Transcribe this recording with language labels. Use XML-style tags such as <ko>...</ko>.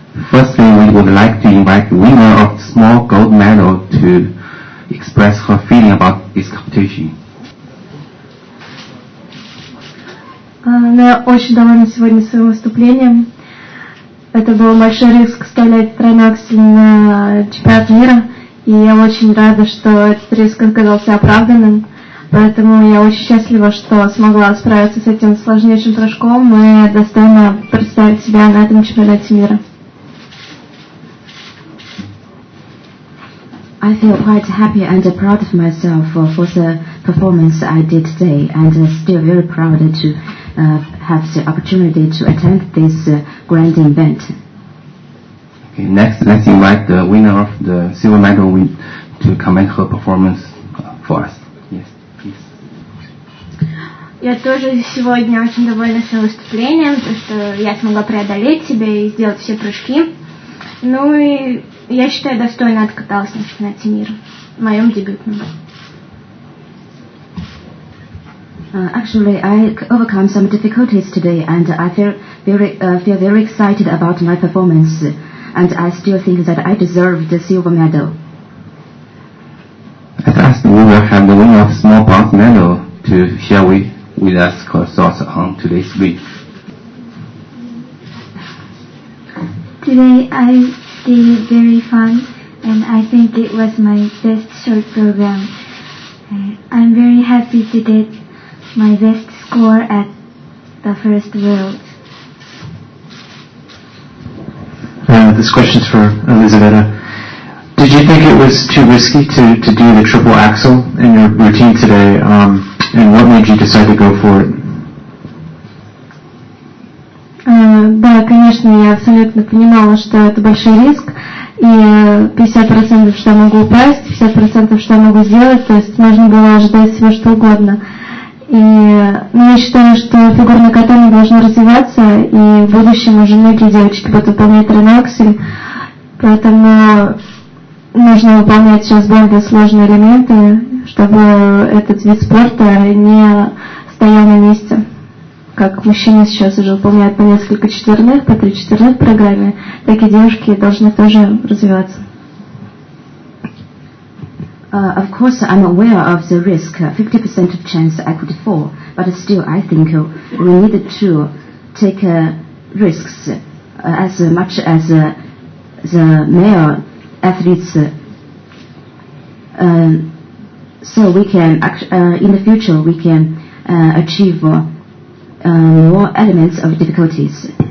<en>First thing, we would like to invite the winner of the small gold medal to express her feeling about this competition.</en> <ru>Она очень довольна сегодня своим выступлением. Это был большой риск вставлять тройноксель на чемпионат мира, и я очень рада, что этот риск оказался оправданным. Поэтому я очень счастлива, что смогла справиться с этим сложнейшим прыжком и достойно представить себя на этом чемпионате мира.</ru> <en>I feel quite happy and proud of myself for the performance I did today, and still very proud to have the opportunity to attend this grand event. Okay, next, let's invite the winner of the silver medal to comment her performance for us. Yes, please.</en> <ru>Я тоже сегодня очень довольна своим выступлением, потому что я смогла преодолеть себя и сделать все прыжки. Ну и я считаю, достойно откаталась на чемпионате мира, в моем дебютном.</ru> <en>Actually, I overcome some difficulties today, and I feel very excited about my performance, and I still think that I deserve the silver medal. At last, we will have the winner of small bronze medal to share with us her thoughts on today's week. Today, I did it very fun, and I think it was my best short program. I'm very happy to get my best score at the first world. This question is for Elisabetta. Did you think it was too risky to do the triple axel in your routine today? And what made you decide to go for it?</en> <ru>Да, конечно, я абсолютно понимала, что это большой риск. И 50%, что я могу упасть, 50%, что я могу сделать. То есть можно было ожидать всего что угодно. И я считаю, что фигурное катание должно развиваться, и в будущем уже многие девочки будут выполнять тройноксель, поэтому нужно выполнять сейчас более сложные элементы, чтобы этот вид спорта не стоял на месте. Как мужчины сейчас уже выполняют по несколько четверных, по 3 четверных в программе, так и девушки должны тоже развиваться.</ru> <en>Of course, I'm aware of the risk, 50% of chance I could fall, but still, I think we need to take risks as much as the male athletes, so we can, in the future, we can achieve more elements of difficulties.</en>